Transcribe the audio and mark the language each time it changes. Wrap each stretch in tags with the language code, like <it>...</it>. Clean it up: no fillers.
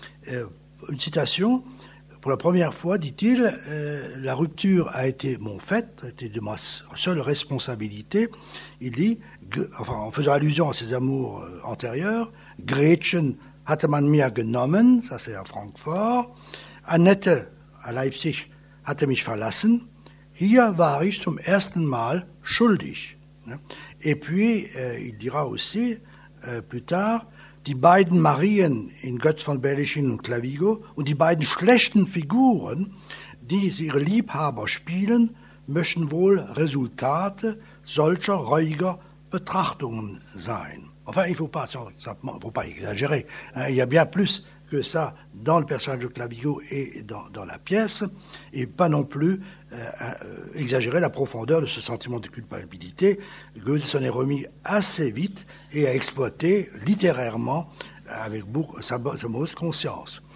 <fr>Une citation, « Pour la première fois, dit-il, la rupture a été mon fait, a été de ma seule responsabilité. » Il dit, enfin, en faisant allusion à ses amours antérieurs, «</fr> <de>Gretchen hatte man mir genommen</de> <fr>», ça c'est à Francfort, « Annette à Leipzig »</fr> <de>hatte mich verlassen, hier war ich zum ersten Mal schuldig.</de> <fr>Et puis, il dira aussi, plus tard,</fr> <de>die beiden Marien in Götz von Berlichingen und Clavigo und die beiden schlechten Figuren, die ihre Liebhaber spielen, möchten wohl Resultate solcher reuiger Betrachtungen sein.</de> <fr>Enfin, il ne faut pas exagérer. Il y a bien plus que ça dans le personnage de Clavigo et dans la pièce, et pas non plus exagérer la profondeur de ce sentiment de culpabilité. Goethe s'en est remis assez vite et a exploité littérairement avec sa mauvaise conscience.</fr>